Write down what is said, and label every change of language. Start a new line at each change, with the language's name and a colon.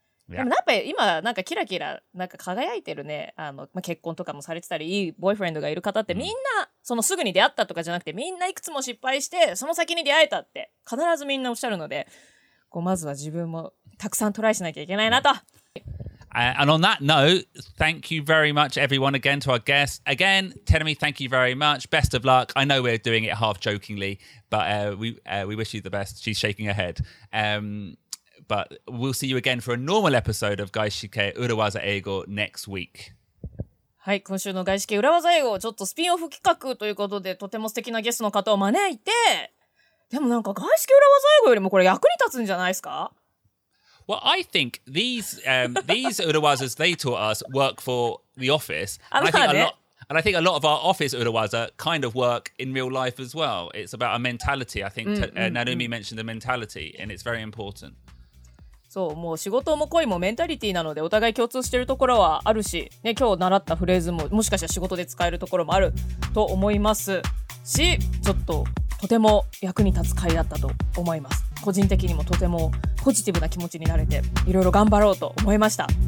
Japanese: でもやっぱり今、なんかキラキラ、なんか輝いてるね、まあ、結婚とかもされてたり、いいボーイフレンドがいる方って、みんな、そのすぐに出会ったとかじゃなくて、みんないくつも失敗して、その先に出会えたって、必ずみんなおっしゃるので、こうまずは自分も、たくさんトライしなきゃいけないなと。
English: And on that note, thank you very much everyone again to our guests. Again, Tenami, thank you very much. Best of luck. I know we're doing it half jokingly, but we wish you the best. She's shaking her head. But we'll see you again for a normal episode of Gaishike Urawaza Eigo next week.
Japanese: はい、今週の外資系裏技英語、ちょっとスピンオフ企画ということで、とても素敵なゲストの方を招いて、でもなんか外資系裏技英語よりもこれ役に立つんじゃないですか？
English: Well, I think these urawazas they taught us work for the office. And I think a lot of our office urawaza kind of work in real life as well. It's about a mentality. I think Narumi mentioned the mentality, and it's very important.
Japanese: そう、もう仕事も恋もメンタリティなので、お互い共通しているところはあるし、ね、今日習ったフレーズももしかしたら仕事で使えるところもあると思いますし、ちょっととても役に立つ回だったと思います。個人的にもとてもポジティブな気持ちになれて、いろいろ頑張ろうと思いました。